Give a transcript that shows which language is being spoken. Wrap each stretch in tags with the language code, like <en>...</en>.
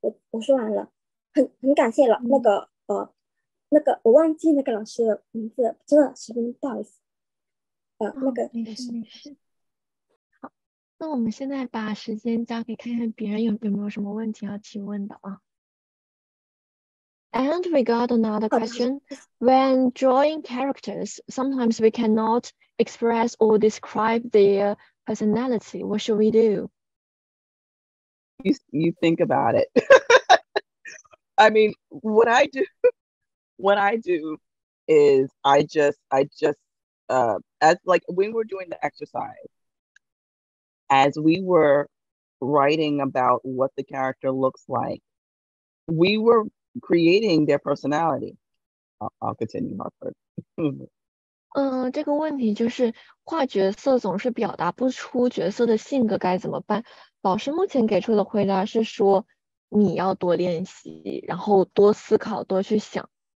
<zh>我说完了，很感谢了那个我忘记那个老师的名字，真的十分不好意思。那个没事没事。那我们现在把时间交给看看别人有没有什么问题要提问的啊。</zh> <en>And we got another question. When drawing characters, sometimes we cannot express or describe their personality. What should we do? You think about it. I mean, what I do is I just, as when we're doing the exercise,as we were writing about what the character looks like, we were creating their personality. I'll continue, Harper.</en> <zh>这个问题就是画角色总是表达不出角色的性格该怎么办？老师目前给出的回答是说你要多练习，然后多思考，多去想。</zh>